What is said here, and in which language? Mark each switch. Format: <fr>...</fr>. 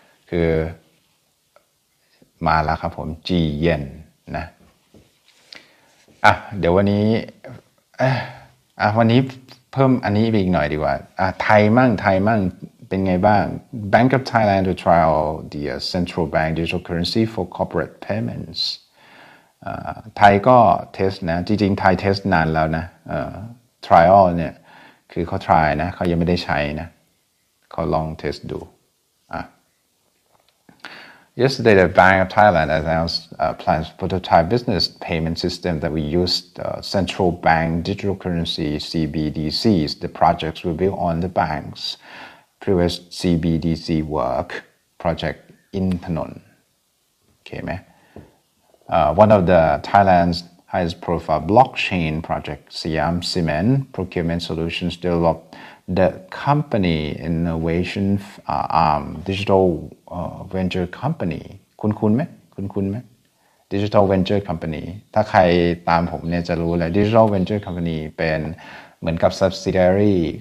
<th>คือมาแล้วครับผม JPY นะอ่ะเดี๋ยววันนี้วันนี้เพิ่มอันนี้ไปอีกหน่อยดีกว่าไทยมั่งเป็นไงบ้าง</th> <en>Bank of Thailand to trial the central bank digital currency for corporate payments</en> <th>ไทยก็เทสนะจริงๆไทยเทสนานแล้วนะtrial เนี่ยคือเขา try นะเขายังไม่ได้ใช้นะเขาลองเทสดู</th> <en>Yesterday, the Bank of Thailand announced plans for the Thai business payment system that we use the central bank digital currency CBDCs. The projects will be on the bank's previous CBDC work project in Phnom. Okay, man. One of the Thailand's highest profile blockchain project, Siam Cement Procurement Solutions, developed the company innovation digital venture company คุณไหม digital venture company</en> <th>ถ้าใครตามผมเนี่ยจะรู้แหละ</th> <en>digital venture company</en> <th>เป็นเหมือนกับ</th> <en>subsidiary</en>